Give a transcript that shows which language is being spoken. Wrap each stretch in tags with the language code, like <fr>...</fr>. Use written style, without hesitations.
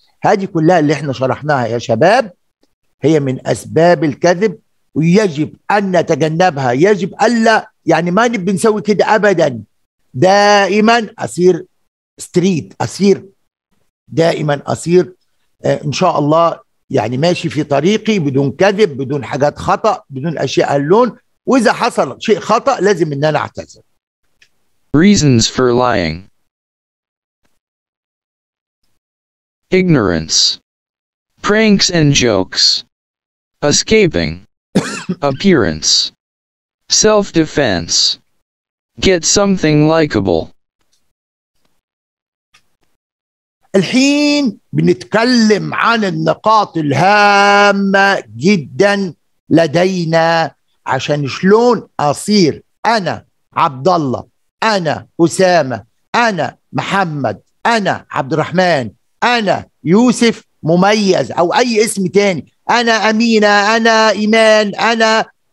<ar>هذه كلها اللي احنا شرحناها يا شباب هي من أسباب الكذب ويجب أن نتجنبها, يجب ألا يعني ما نبي نسوي كده أبدا. دائما أصير ستريت أسير، دائما أسير إن شاء الله، يعني ماشي في طريقي بدون كذب، بدون حاجات خطأ، بدون أشياء اللون، وإذا حصل شيء خطأ لازم إن أنا أعتذر.</ar> <en>Reasons for lying: ignorance, pranks and jokes, escaping, appearance, self-defense, get something likable.</en> <ar>الحين بنتكلم عن النقاط الهامة جدا لدينا عشان شلون أصير أنا عبد الله، أنا أسامة، أنا محمد، أنا عبد الرحمن، أنا يوسف مميز أو أي اسم تاني، أنا أمينة، أنا إيمان، أنا</ar>